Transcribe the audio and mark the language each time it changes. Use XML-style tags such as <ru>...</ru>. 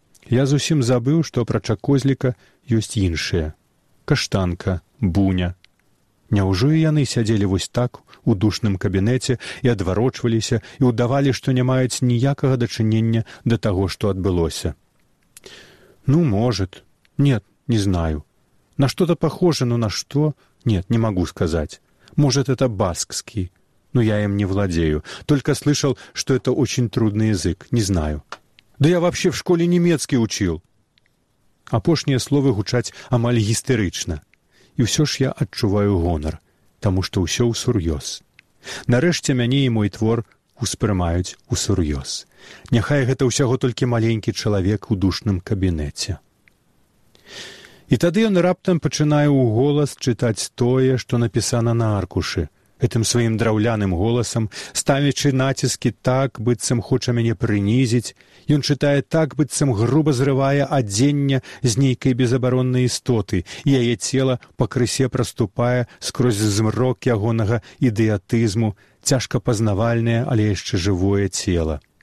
<be>Я зусім забыў, што апрача козліка ёсць іншыя. Каштанка, буня. Няўжо і яны сядзелі вось так у душным кабінеце і адварочваліся і ўдавалі, што не маюць ніякага дачынення да таго, што адбылося?</be> <ru>Ну, может. Нет, не знаю. На что-то похоже, но на что? Нет, не могу сказать. Может, это баскский. Но я им не владею. Только слышал, что это очень трудный язык. Не знаю. Да я вообще в школе немецкий учил.</ru> <be>Апошнія словы гучаць амаль гістерычна. И все ж я отчуваю гонор, тому что все усур'ёз. Нарэшце мяне и мой твор успрымаюць усур'ёз. Няхай гэта ўсяго толькі маленькі чалавек у душным кабінеце. І тады ён раптам пачынае ў голас чытаць тое, што напісана на аркушы, гэтым сваім драўляным голасам, ставячы націскі так, быццам хоча мяне прынізіць, ён чытае так, быццам груба зрывае адзенне з нейкай безабароннай істоты, і яе цела пакрысе праступае скрозь змрок ягонага ідыятызму, цяжка пазнавальнае, але яшчэ жывое цела.</be>